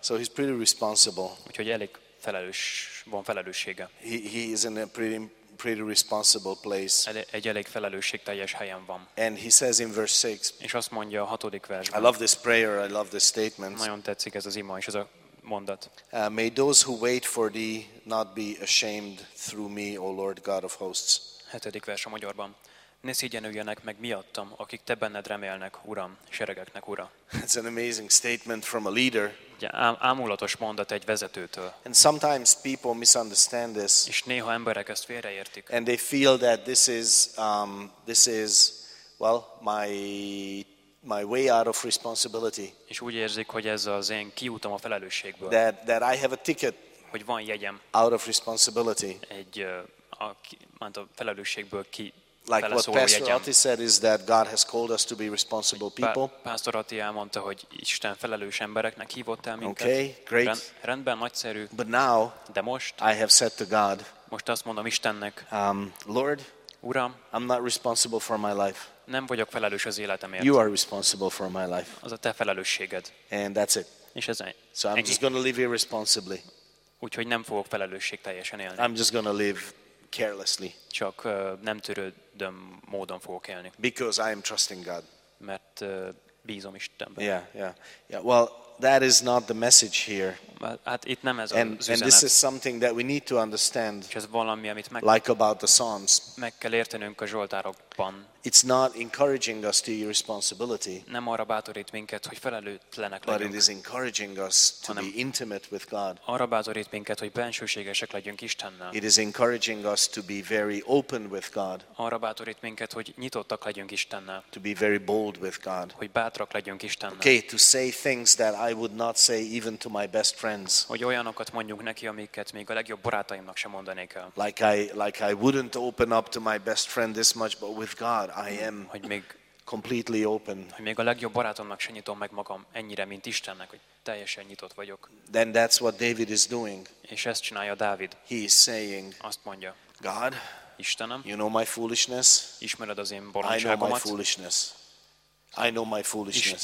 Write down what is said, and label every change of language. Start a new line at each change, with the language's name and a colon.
English: So he's pretty responsible.
Hungarian: Úgyhogy elég felelős, van felelőssége.
English: He is in a pretty responsible place.
Hungarian: Egy elég felelősségteljes helyen van.
English: And he says in verse 6.
Hungarian: És azt mondja a hatodik versben.
English: I love this prayer. I love this statement.
Hungarian: Nagyon tetszik ez az ima és ez a mondat.
English: May those who wait for thee not be ashamed through me, O Lord God of hosts.
Hungarian: Hetedik vers a magyarban. Ne szégyenüljenek meg miattam, akik te benned remélnek, Uram, seregeknek Ura.
English: It's an amazing statement from a leader.
Hungarian: Ámulatos mondat egy vezetőtől.
English: And sometimes people misunderstand this.
Hungarian: És néha emberek ezt félreértik.
English: And they feel that this is well, my way out of responsibility.
Hungarian: És úgy érzik, hogy ez az én kiútam a felelősségből.
English: That I have a ticket.
Hungarian: Hogy van jegyem.
English: Out of responsibility.
Hungarian: Egy a felelősségből ki.
English: Like what Pastor Ati said is that God has called us to be responsible people.
Hungarian: Pastor Ati elmondta, hogy Isten felelős embereknek hívott el minket.
English: Okay, great.
Hungarian: Rendben, nagyszerű.
English: But now,
Hungarian: de most,
English: I have said to God,
Hungarian: most azt mondom Istennek,
English: Lord,
Hungarian: Uram,
English: I'm not responsible for my life.
Hungarian: Nem vagyok felelős az életemért.
English: You are responsible for my life.
Hungarian: Az a te felelősséged.
English: And that's it.
Hungarian: És ez ennyi.
English: So I'm just going to live irresponsibly.
Hungarian: Úgyhogy nem fogok felelősség teljesen élni.
English: I'm just going to live carelessly.
Hungarian: Csak nem törődöm módon fogok élni.
English: Because I am trusting God.
Hungarian: Mert bízom Istenben.
English: Yeah, yeah, yeah. Well, that is not the message here.
Hungarian: Hát itt nem ez az üzenet.
English: And this is something that we need to understand.
Hungarian: Ez valami, amit meg.
English: Like about the Psalms.
Hungarian: Meg kell értenünk a Zsoltárokban.
English: It's not encouraging us to irresponsibility.
Hungarian: Nem arra bátorít minket, hogy felelőtlenek legyünk.
English: But it is encouraging us to be intimate with God.
Hungarian: Arra bátorít minket, hogy bensőségesek legyünk Istennel.
English: It is encouraging us to be very open with God.
Hungarian: Arra bátorít minket, hogy nyitottak legyünk Istennel.
English: To be very bold with God.
Hungarian: Hogy bátrak legyünk Istennel.
English: Okay, to say things that I would not say even to my best friends.
Hungarian: Hogy olyanokat mondjunk neki, amiket még a legjobb barátaimnak sem mondanék el.
English: Like I wouldn't open up to my best friend this much, but with God I am completely open.
Hungarian: Hogy még a legjobb barátomnak sem nyitom meg magam ennyire, mint Istennek, hogy teljesen nyitott vagyok.
English: Then that's what David is doing.
Hungarian: És ezt csinálja Dávid.
English: He is saying,
Hungarian: azt mondja,
English: God,
Hungarian: Istenem,
English: you know my foolishness.
Hungarian: Ismered az én bolondságomat.
English: I know my foolishness. I know my foolishness.